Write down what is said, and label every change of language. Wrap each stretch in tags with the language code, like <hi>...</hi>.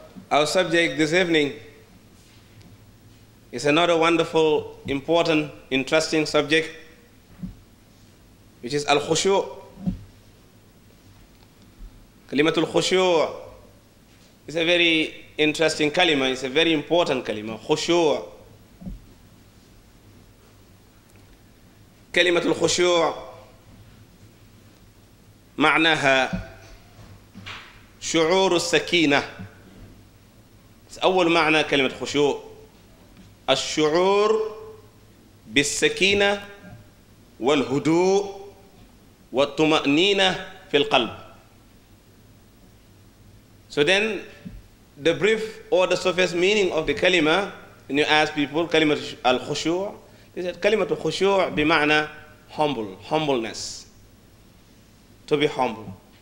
<en>Our subject this evening is another wonderful, important, interesting subject, which is al khusur.</en> <ar>كلمة الخشوع</ar> <en>is a very interesting kalima, it's a very important kalima, خشوع.</en> <ar>كلمة الخشوع معناها شعور السكينة. It's أول معنى كلمة خشوع الشعور بالسكينة والهدوء والطمأنينة في القلب.</ar> <en>So then, the brief or the surface meaning of the kalima, when you ask people, kalima al-khushu', they said,</en> <ar>kalima al-khushu' bima'na</ar> <en>humble, humbleness, to be humble.</en>